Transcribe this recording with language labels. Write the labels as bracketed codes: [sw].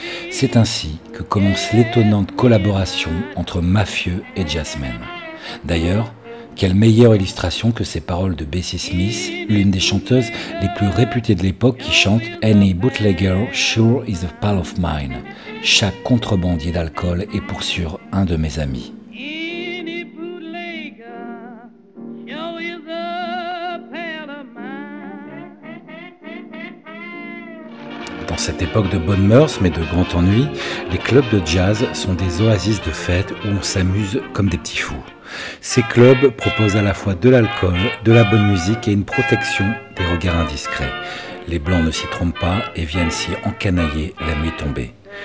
[fr] C'est ainsi que commence l'étonnante collaboration entre mafieux et jazzmen. D'ailleurs, quelle meilleure illustration que ces paroles de Bessie Smith, l'une des chanteuses les plus réputées de l'époque qui chante « [en] Any bootlegger sure is a pal of mine ». [fr] Chaque contrebandier d'alcool est pour sûr un de mes amis. [en] Any bootlegger sure is a pal of mine. [fr] Dans cette époque de bonnes mœurs mais de grand ennui, les clubs de jazz sont des oasis de fête où on s'amuse comme des petits fous. Ces clubs proposent à la fois de l'alcool, de la bonne musique et une protection des regards indiscrets. Les blancs ne s'y trompent pas et viennent s'y encanailler la nuit tombée.